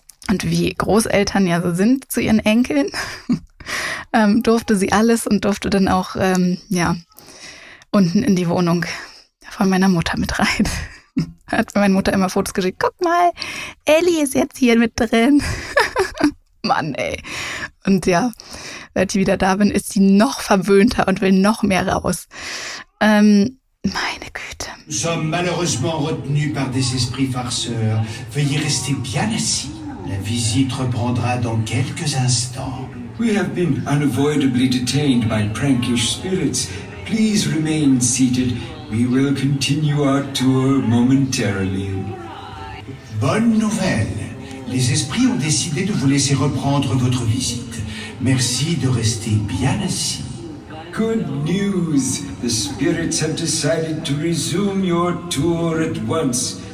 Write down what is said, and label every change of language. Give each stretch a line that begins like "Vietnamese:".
German: Und wie Großeltern ja so sind zu ihren Enkeln, durfte sie alles und durfte dann auch unten in die Wohnung von meiner Mutter mit rein. Hat mir meine Mutter immer Fotos geschickt. Guck mal, Ellie ist jetzt hier mit drin. Mann, ey. Und ja, seit ich wieder da bin, ist sie noch verwöhnter und will noch mehr raus. Meine Güte.
French: Nous sommes malheureusement retenus par des esprits farceurs. Veuillez rester bien assis. La visite reprendra dans quelques instants.
English: We have been unavoidably detained by prankish spirits. Please remain seated. We will continue our tour momentarily.
French: Bonne nouvelle. Les esprits ont décidé de vous laisser reprendre votre visite. Merci de rester bien assis.
English: Good news. The spirits have decided to resume your tour at once.